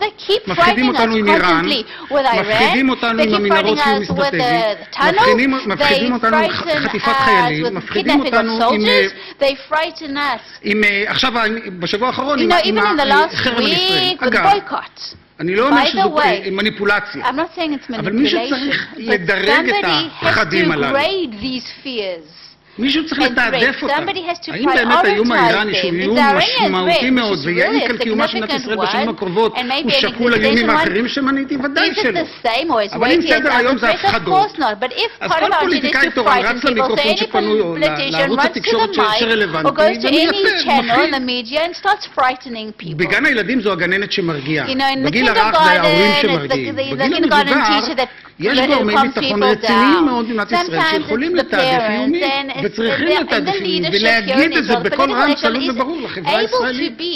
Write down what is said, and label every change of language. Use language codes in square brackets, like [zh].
[en] They keep frightening us constantly with Iran. They keep frightening us with the tunnel. They frighten us with kidnapping of soldiers. They frighten us. You know, even in the last week, with the boycott. [he] אני לא אומר שזו מניפולציה. [en] I'm not saying it's manipulation. [he] אבל מישהו צריך לדרג את הפחדים הללו. [en] Somebody has to grade these fears. [he] מישהו צריך לתעדף אותם. [en] Somebody has to prioritize them. [he] האם באמת האיום האיראני שהוא איום משמעותי מאוד ויעיל כאן קיומה של מדינת ישראל בשנים הקרובות הוא שקול לאיומים האחרים שמניתי? ודאי שלא. [en] Is it the same or is it weighty as other pressure? Of course not. But if part of our duty is to frighten people, say any politician runs to the mic or goes to any channel in the media and starts frightening people. [he] בגן הילדים זו הגננת שמרגיעה. [en] You know, in the kindergarten, it's the kindergarten teacher that [he] יש גורמי ביטחון רציניים מאוד במדינת ישראל שיכולים לתעדף איומים וצריכים לתעדף איומים ולהגיד את זה בכל רם שלום וברור לחברה הישראלית.